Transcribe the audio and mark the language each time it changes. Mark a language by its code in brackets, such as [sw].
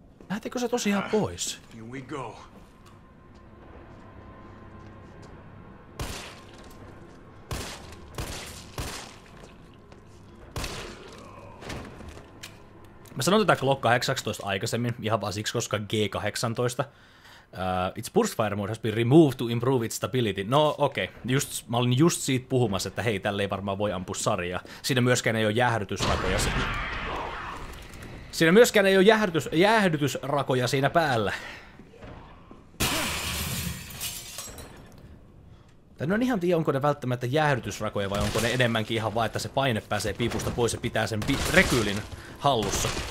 [fi] Lähtikö se tosiaan pois? [en] Here we go. [fi] Mä sanon tätä Glock 18 aikaisemmin, ihan vaan siksi, koska G18. [en] Its burst fire mode has been removed to improve its stability. [fi] No okei, okay. Mä olin just siitä puhumassa, että hei, tälle ei varmaan voi ampua sarjaa. Siinä myöskään ei ole jäähdytysrakoja. Siinä myöskään ei ole jäähdytysrakoja siinä päällä. Tänne on ihan tiedä, onko ne välttämättä jäähdytysrakoja vai onko ne enemmänkin ihan vaan, että se paine pääsee piipusta pois ja pitää sen rekyylin hallussa.